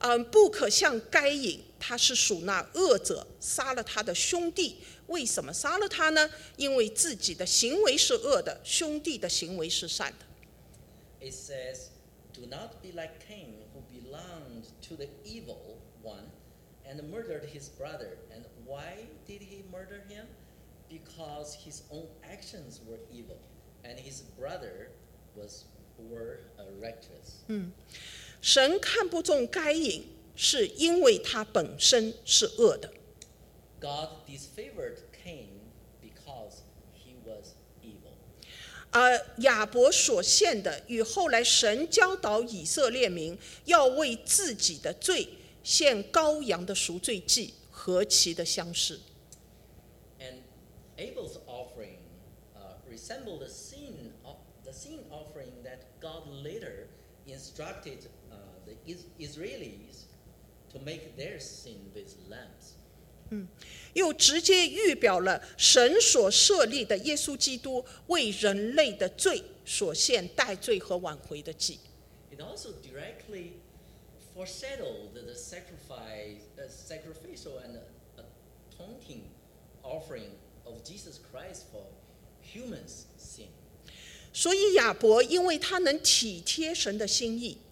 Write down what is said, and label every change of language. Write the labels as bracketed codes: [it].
[zh] 不可像该隐，他是属那恶者，杀了他的兄弟。为什么杀了他呢？因为自己的行为是恶的，兄弟的行为是善的。 [en] It says, "Do not be like Cain, who belonged to the evil one, and murdered his brother. And why did he murder him? Because his own actions were evil, and his brother were righteous." [zh] 神看不中该隐，是因为他本身是恶的。 [en] God disfavored Cain because he was evil. [zh] 亚伯所献的与后来神教导以色列民要为自己的罪献羔羊的赎罪祭何其的相似。 [en] And Abel's offering resembled the sin offering that God later instructed. Israelis to make their sin with lambs. [zh] 又直接预表了神所设立的耶稣基督为人类的罪所献代罪和挽回的祭。 [en] It also directly foreshadowed the sacrificial and atoning offering of Jesus Christ for humans' sin. [zh] 所以亚伯因为他能体贴神的心意。